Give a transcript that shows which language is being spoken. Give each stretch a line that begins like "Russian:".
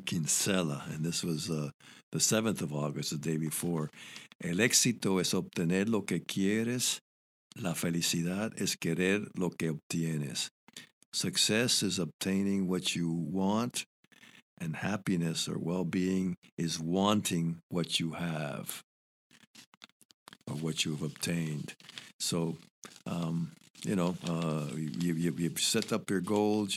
English: Kinsella, and this was the 7th of August, the day before.
Spanish: El éxito es obtener lo que quieres. La felicidad es querer lo que obtienes.
English: Success is obtaining what you want, and happiness or well-being is wanting what you have or what you have obtained. So, you set up your goals.